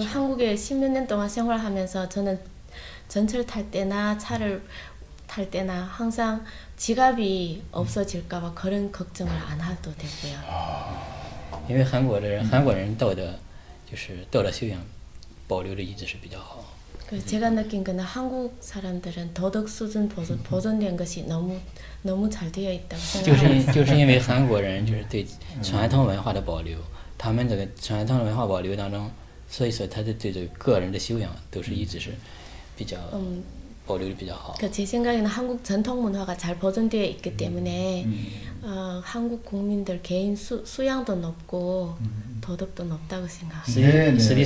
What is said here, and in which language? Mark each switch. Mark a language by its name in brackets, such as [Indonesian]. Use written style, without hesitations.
[Korean] 한국에 10몇 년 동안 생활하면서 저는 전철 탈 때나 차를 탈 때나 항상 지갑이 없어질까 봐 그런 걱정을 안 해도 되고요. [Chinese] 因为韩国人道德就是道德修养保留的一直是比较好. [Korean] 그 제가 느낀 거는 한국 사람들은 도덕 수준 보존된 것이 너무 잘 되어 있다고 생각합니다. [Chinese] 就是因为韩国人就是对传统文化的保留，他们这个传统文化保留当中，所以说他的对这个个人的修养都是一直是比较。 [Korean] 그 제 생각에는 한국 전통 문화가 잘 보존되어 있기 때문에 한국 국민들 개인 수양도 높고 도덕도 높다고 생각합니다.